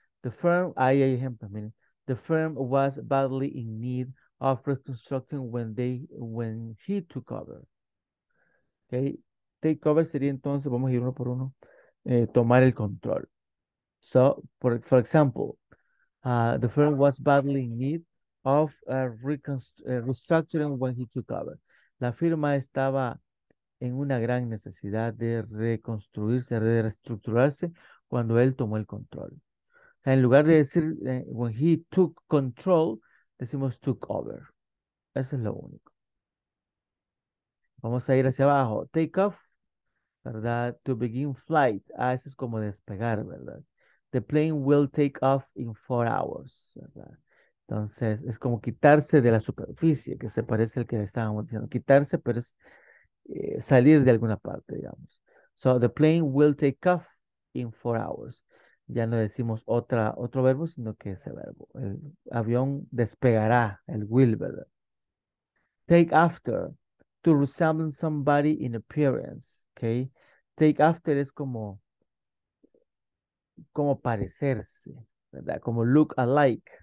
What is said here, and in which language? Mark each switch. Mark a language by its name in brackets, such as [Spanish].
[English] The firm, the firm was badly in need of reconstruction when he took over. [Spanish] Okay, take over sería entonces, vamos a ir uno por uno, tomar el control. [English] So, for example, the firm was badly in need of restructuring when he took over. [Spanish] La firma estaba en una gran necesidad de reconstruirse, de reestructurarse cuando él tomó el control. En lugar de decir [English] when he took control, [Spanish] decimos took over. Eso es lo único. Vamos a ir hacia abajo. Take off, ¿verdad? [English] To begin flight. [Spanish] Ah, eso es como despegar, ¿verdad? [English] The plane will take off in 4 hours, [Spanish] ¿verdad? Entonces, es como quitarse de la superficie, que se parece al que estábamos diciendo. Quitarse, pero es salir de alguna parte, digamos. [English] So, the plane will take off in 4 hours. [Spanish] Ya no decimos otro verbo, sino que ese verbo. El avión despegará, [English] el will, ¿verdad? Take after, to resemble somebody in appearance, okay? [Spanish] Take after es como parecerse, ¿verdad? Como [English] look alike.